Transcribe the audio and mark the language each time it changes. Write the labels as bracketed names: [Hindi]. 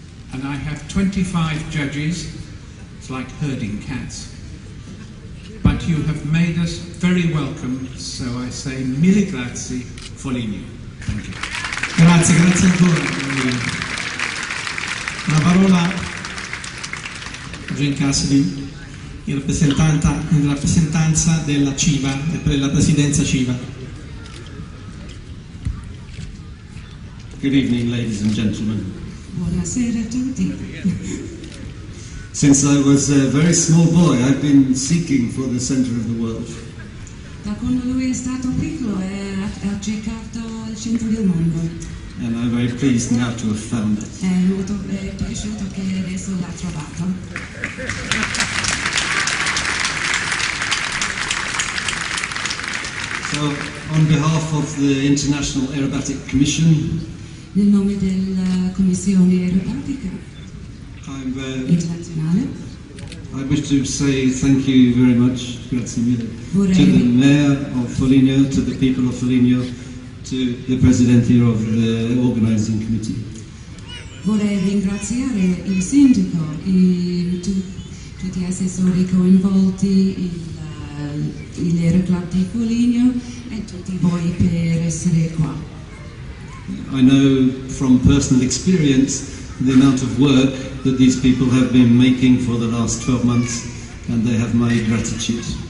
[English] And I have 25 judges, it's like herding cats. But you have made us very welcome, so I say [Italian] mille grazie, [English] Foligno. Thank you. [Italian] Grazie, grazie ancora. La parola a Jane Cassidy, in rappresentanza, della CIVA, della presidenza CIVA. [English] Good evening, ladies and gentlemen. [Italian] Buonasera a tutti. [English] Since I was a very small boy, I've been seeking for the center of the world. [Italian] Da quando lui è stato piccolo, ha cercato il centro del mondo. [English] And I'm very pleased now to have found it. [Italian] È molto piaciuto che adesso l'ha trovato. [English] So, on behalf of the International Aerobatic Commission, [Italian] nel nome della Commissione Aerobatica, [English] I wish to say thank you very much, [Italian] grazie mille, [English] to the mayor of Foligno, to the people of Foligno, to the president here of the organizing committee. [Italian] Vorrei ringraziare il sindaco e tutti gli assessori coinvolti, il aeroclub di Foligno e tutti voi per essere qua. [English] I know from personal experience the amount of work that these people have been making for the last 12 months, and they have my gratitude.